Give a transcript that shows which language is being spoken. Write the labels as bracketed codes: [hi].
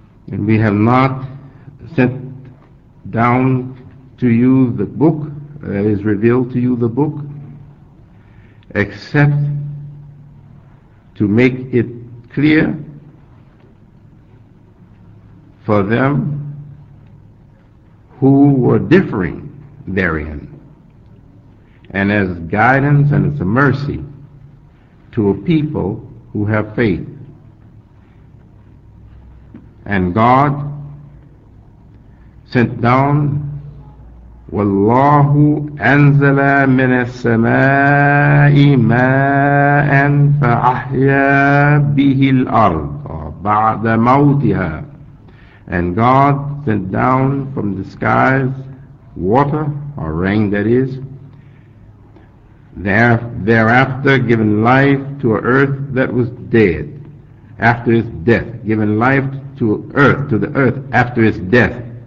[en] And we have not sent down to you the book, that is revealed to you the book, except to make it clear for them who were differing therein, and as guidance and as a mercy to a people who have faith. And God sent down, [ar] وَاللَّهُ أَنزَلَ مِنَ السَّمَاءِ مَاءً فَأَحْيَى بِهِ الْأَرْضَ بَعْدَ مَوْتِهَا. [en] And God sent down from the skies water, or rain that is, thereafter given life to an earth that was dead, after its death, given life to earth, to the earth after its death.